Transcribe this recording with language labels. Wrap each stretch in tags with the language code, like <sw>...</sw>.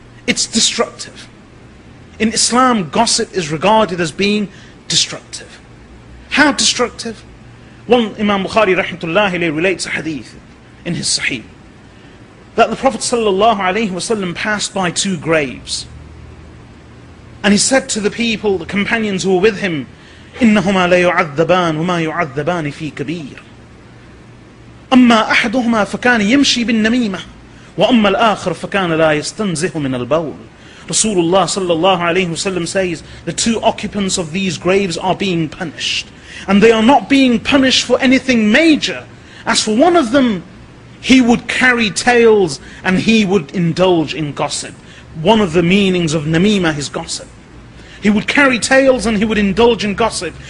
<en>It's destructive. In Islam, gossip is regarded as being destructive. How destructive? One Imam Bukhari rahmatullah alayhi relates a hadith in his Sahih that the Prophet sallallahu alayhi wasallam passed by two graves. And he said to the people, the companions who were with him,</en> <ar>إِنَّهُمَا لَيُعَذَّبَانِ وَمَا يُعَذَّبَانِ فِي كَبِيرٍ أَمَّا أَحَدُهُمَا فَكَانَ يَمْشِي بِالنَّمِيمَةِ وَأَمَّا الْآخِرُ فَكَانَ لَا يَسْتَنْزِهُ مِنَ الْبَوْلِ.</ar> <en>Rasulullah sallallahu alayhi wa sallam says, the two occupants of these graves are being punished. And they are not being punished for anything major. As for one of them, he would carry tales and he would indulge in gossip. One of the meanings of namima is gossip. He would carry tales and he would indulge in gossip.</en>